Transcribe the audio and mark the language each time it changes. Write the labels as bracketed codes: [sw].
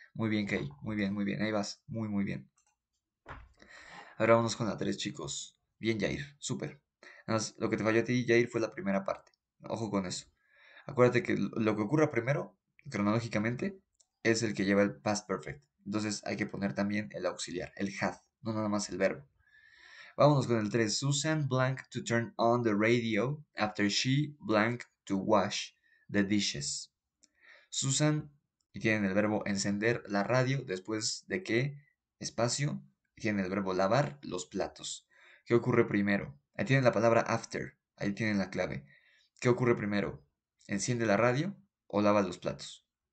[es] Muy bien, Kay. Muy bien, muy bien. Ahí vas. Muy, muy bien. Ahora vamos con la tres, chicos. Bien, Jair, súper. Además, lo que te falló a ti, Jair, fue la primera parte. Ojo con eso. Acuérdate que lo que ocurra primero, cronológicamente, es el que lleva el past perfect. Entonces hay que poner también el auxiliar, el had, no nada más el verbo. Vámonos con el 3. [en] Susan blank to turn on the radio after she blank to wash the dishes. [es] Susan, y tienen el verbo encender la radio después de que, espacio, y tienen el verbo lavar los platos. ¿Qué ocurre primero? Ahí tienen la palabra after. Ahí tienen la clave. ¿Qué ocurre primero? ¿Enciende la radio o lava los platos?